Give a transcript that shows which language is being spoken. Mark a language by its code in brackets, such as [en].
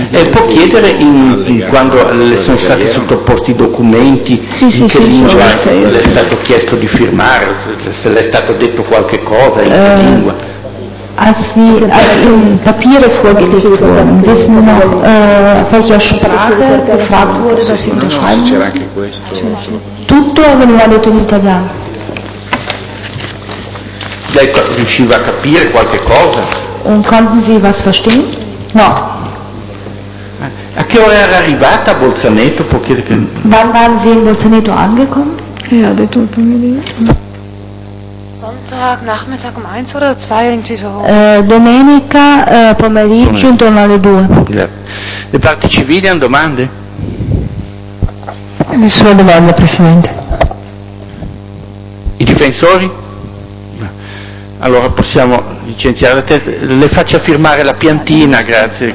[it] Può chiedere quando le sono stati sottoposti i documenti, sì, in sì, che sì, lingua sì, le è stato chiesto di firmare, se le è stato detto qualche cosa in che lingua? [de] Papiere vorgelegt worden. Wissen wir noch, welche Sprache gefragt wurde, dass sie unterschreiben müssen? [it] Tutto veniva detto in italiano. Lei riusciva a capire qualche cosa? [de] Und konnten Sie was verstehen? [it] No. A che ora era arrivata a Bolzaneto? Può chiedere che... [de] Wann waren Sie in Bolzaneto angekommen? [it] Ja, detto il pomeriggio. [de] Sonntag Nachmittag 1 oder 2 irgendwie so. [it] Domenica pomeriggio intorno alle 2. Le parti civili hanno domande? Nessuna domanda, Presidente. I difensori? Allora possiamo licenziare la testa. Le faccio firmare la piantina, grazie.